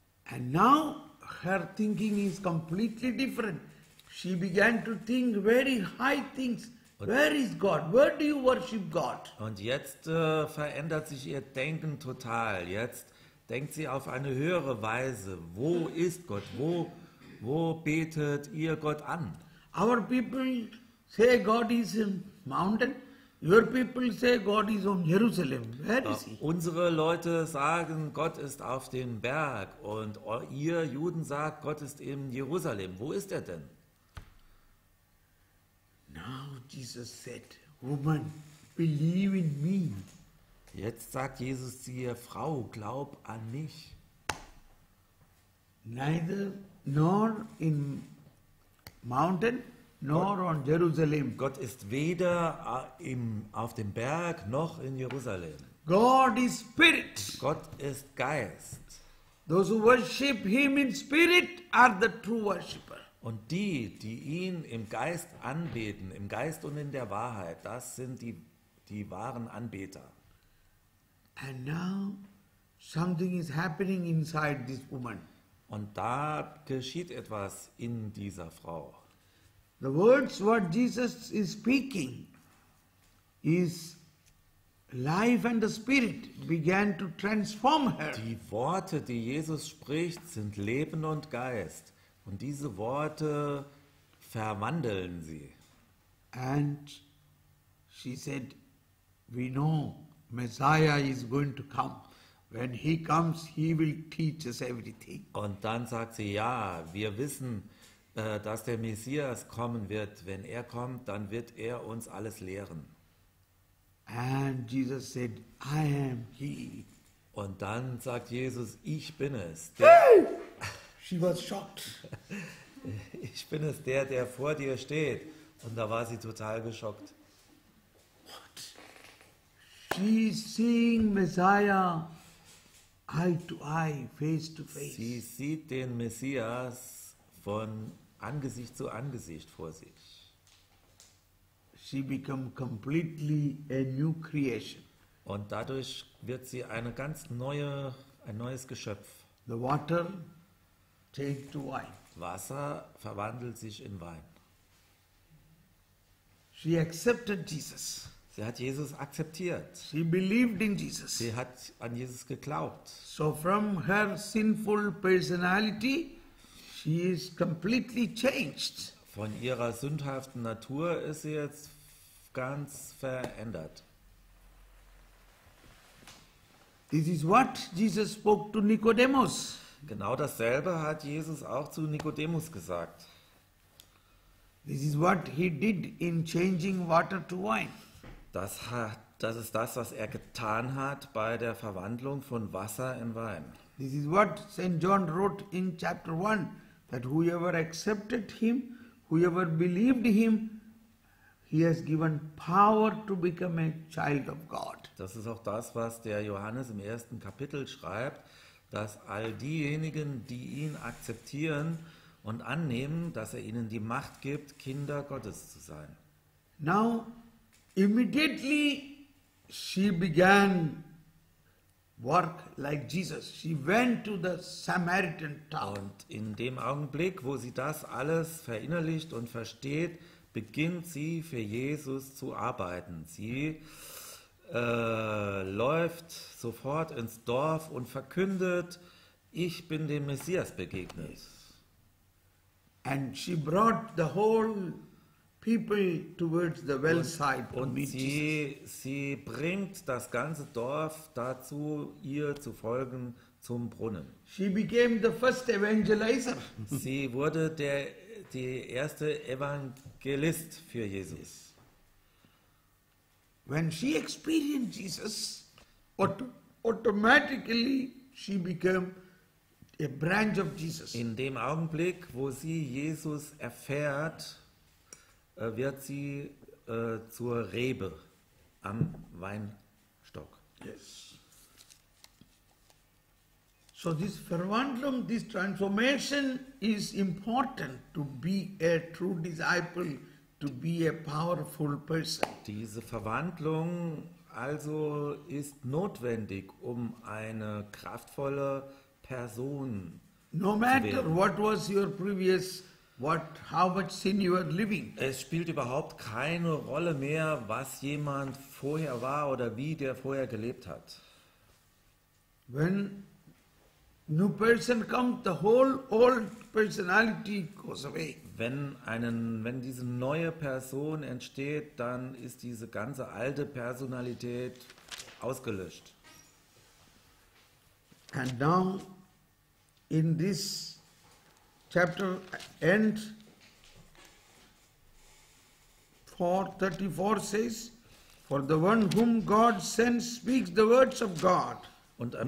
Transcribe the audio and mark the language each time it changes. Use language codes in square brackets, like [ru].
[en] And now her thinking is completely different. She began to think very high things. Where is God? Where do you worship God? [de] Und jetzt verändert sich ihr Denken total. Jetzt denkt sie auf eine höhere Weise. Wo ist Gott? Wo betet ihr Gott an? [en] Our people say God is in mountain. Your people say God is on Jerusalem. Where is he? [de] Unsere Leute sagen, Gott ist auf dem Berg. Und ihr Juden sagt, Gott ist in Jerusalem. Wo ist er denn? [en] Now Jesus said, woman, believe in me. [de] Jetzt sagt Jesus zu ihr, Frau, glaub an mich. [en] Neither nor in mountain nor on Jerusalem. [de] Gott ist weder auf dem Berg noch in Jerusalem. [en] God is spirit. [de] Gott ist Geist. [en] Those who worship him in spirit are the true worshipper. [de] Und die ihn im Geist anbeten, im Geist und in der Wahrheit, das sind die wahren Anbeter. [en] And now something is happening inside this woman. [de] Und da geschieht etwas in dieser Frau. [en] The words what Jesus is speaking is life and the spirit began to transform her. [de] Die Worte, die Jesus spricht, sind Leben und Geist. Und diese Worte verwandeln sie. [en] And she said, we know Messiah is going to come. When he comes, he will teach us everything. [de] Und dann sagt sie, ja, wir wissen, dass der Messias kommen wird. Wenn er kommt, dann wird er uns alles lehren. [en] And Jesus said, I am he. [de] Und dann sagt Jesus, ich bin es. [en] She was shocked. [de] Ich bin es, der vor dir steht. Und da war sie total geschockt. [en] What? She's seeing Messiah eye to eye, face to face. [de] Sie sieht den Messias von Angesicht zu Angesicht vor sich. [en] She become completely a new creation. [de] Und dadurch wird sie eine ganz neue, ein neues Geschöpf. [en] The water take to wine. [de] Wasser verwandelt sich in Wein. [en] She accepted Jesus. [de] Sie hat Jesus akzeptiert. [en] She believed in Jesus. [de] Sie hat an Jesus geglaubt. [en] So from her sinful personality, she is completely changed. [de] Von ihrer sündhaften Natur ist sie jetzt ganz verändert. [en] This is what Jesus spoke to Nicodemus. [de] Genau dasselbe hat Jesus auch zu Nikodemus gesagt. [en] This is what he did in changing water to wine. [de] Das ist das, was er getan hat bei der Verwandlung von Wasser in Wein. [en] This is what St. John wrote in chapter 1, that whoever accepted him, whoever believed him, he has given power to become a child of God. [de] Das ist auch das, was der Johannes im ersten Kapitel schreibt, dass all diejenigen, die ihn akzeptieren und annehmen, dass er ihnen die Macht gibt, Kinder Gottes zu sein. [en] Now, immediately she began work like Jesus. She went to the Samaritan town. [de] Und in dem Augenblick, wo sie das alles verinnerlicht und versteht, beginnt sie für Jesus zu arbeiten. Sie läuft sofort ins Dorf und verkündet, ich bin dem Messias begegnet. [en] And she brought the whole people towards the wellside [de] und sie bringt das ganze Dorf dazu, ihr zu folgen zum Brunnen. [en] She became the first evangelizer. [de] Sie wurde die erste Evangelist für Jesus. [en] Yes. When she experienced Jesus, automatically she became a branch of Jesus. [de] In dem Augenblick, wo sie Jesus erfährt, wird sie zur Rebe am Weinstock. [en] Yes. So this Verwandlung, this transformation is important to be a true disciple. To be a powerful person. [de] Diese Verwandlung also ist notwendig, um eine kraftvolle Person [en] no matter [de] zu werden. [en] What was your previous how much sin you are living. [de] Es spielt überhaupt keine Rolle mehr, was jemand vorher war oder wie der vorher gelebt hat. [en] When new person comes, the whole old personality goes away. [de] Wenn diese neue Person entsteht, dann ist diese ganze alte Personalität ausgelöscht. [en] And now in this chapter end 4:34 says, for the one whom God sends speaks the words of God. [de] Und am